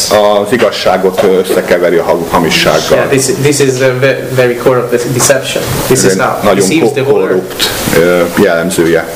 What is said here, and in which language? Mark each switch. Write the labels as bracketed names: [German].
[Hungarian] Az igazságot összekeveri a hamissággal. [English] Yeah, this is the very core of the deception. This is now. [Hungarian] Ez nagyon korrupt jellemzője.